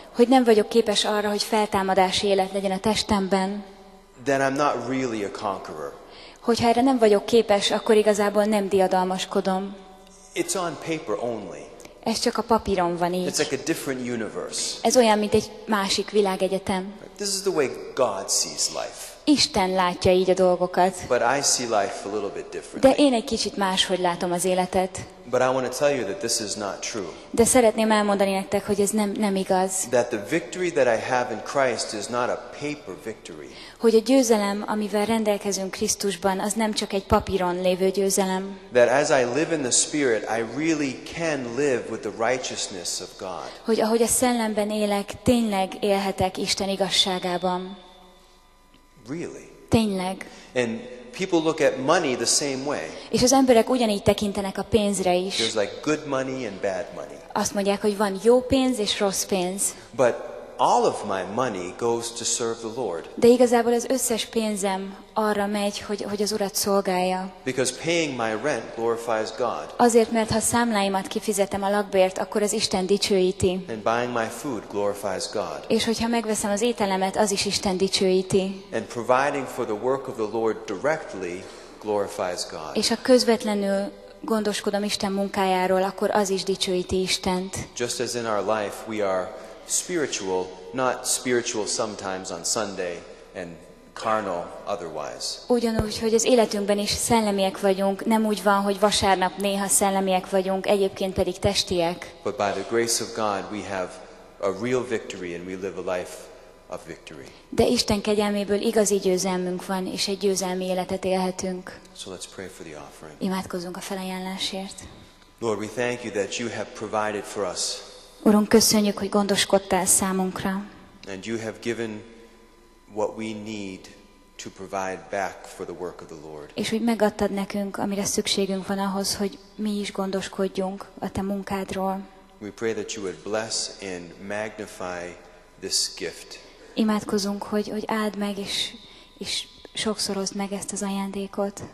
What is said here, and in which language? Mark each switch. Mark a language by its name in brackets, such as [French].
[Hungarian] Hogy nem vagyok képes arra, hogy feltámadási élet legyen a testemben. [English] That I'm not really a conqueror. [Hungarian] Hogyha erre nem vagyok képes, akkor igazából nem diadalmaskodom. [English] It's on paper only. [Hungarian] Ez csak a papíron van így. [English] It's like a different universe. [Hungarian] Ez olyan, mint egy másik világegyetem. [English] This is the way God sees life. [Hungarian] Isten látja így a dolgokat. [English] But I see life a little bit differently. [Hungarian] De én egy kicsit máshogy látom az életet. [English] But I want to tell you that this is not true. [Hungarian] De szeretném elmondani nektek, hogy ez nem igaz. [English] That the victory that I have in Christ is not a paper victory. [Hungarian] Hogy a győzelem, amivel rendelkezünk Krisztusban, az nem csak egy papíron lévő győzelem. [English] That as I live in the Spirit, I really can live with the righteousness of God. [Hungarian] Hogy ahogy a szellemben élek, tényleg élhetek Isten igazságában. [English] Really. [Hungarian] Tényleg. [English] And people look at money the same way. [Hungarian] És az emberek ugyanígy tekintenek a pénzre is. [English] There's like good money and bad money. [Hungarian] Azt mondják, hogy van jó pénz és rossz pénz. [English] But all of my money goes to serve the Lord. [Hungarian] De igazából az összes pénzem arra megy, hogy az Urat szolgálja. [English] Because paying my rent glorifies God. [Hungarian] Azért, mert ha számláimat kifizetem a lakbért, akkor az Isten dicsőíti. [English] And buying my food glorifies God. [Hungarian] És hogyha megveszem az ételemet, az is Isten dicsőíti. [English] And providing for the work of the Lord directly glorifies God. [Hungarian] És ha közvetlenül gondoskodom Isten munkájáról, akkor az is dicsőíti Istent. [English] Just as in our life we are spiritual, not spiritual sometimes on Sunday and carnal otherwise. [Hungarian] Ugyanúgy, hogy az életünkben is szellemiek vagyunk, nem úgy van, hogy vasárnap néha szellemiek vagyunk, egyébként pedig testiek. [English] But by the grace of God we have a real victory and we live a life of victory. [Hungarian] De Isten kegyelméből igazi győzelmünk van, és egy győzelmi életet élhetünk. [English] So let's pray for the offering. [Hungarian] Imádkozzunk a felajánlásért. [English] Lord, we thank you that you have provided for us. [Hungarian] Urunk, köszönjük, hogy gondoskodtál számunkra. [English] And you have given what we need to provide back for the work of the Lord. [Hungarian] És hogy megadtad nekünk, amire szükségünk van ahhoz, hogy mi is gondoskodjunk a te munkádról. [English] We pray that you would bless and magnify this gift. [Hungarian] Imádkozunk, hogy áld meg és sokszorozd meg ezt az ajándékot.